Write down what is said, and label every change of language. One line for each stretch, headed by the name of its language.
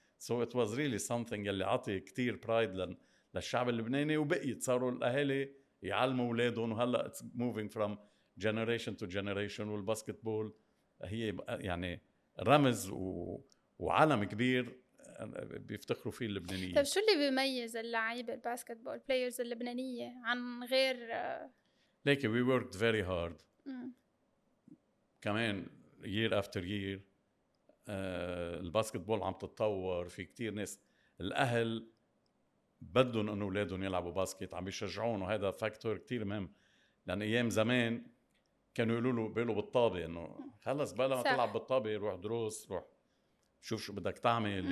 English: So it was really something
Arabic: يلي عطي كتير pride للشعب اللبناني, وبقيت صاروا الأهالي يعلموا أولادهم, وهلأ
English: it's moving from generation to generation,
Arabic: والباسكتبول هي يعني رمز وعالم كبير بيفتخروا فيه اللبنانية. طيب شو اللي بيميز اللعيبة الباسكتبول players اللبنانية عن غير
English: like we worked very hard كمان year after year.
Arabic: الباسكتبول عم تتطور, في كتير ناس الأهل بدهم أن أولادهم يلعبوا باسكت, عم يشجعون, وهذا فاكتور كتير مهم. لأن أيام زمان كانوا يقولوا له بيلو بالطابة أنه خلص بلا ما تلعب بالطابة, روح دروس, روح شوف شو بدك تعمل.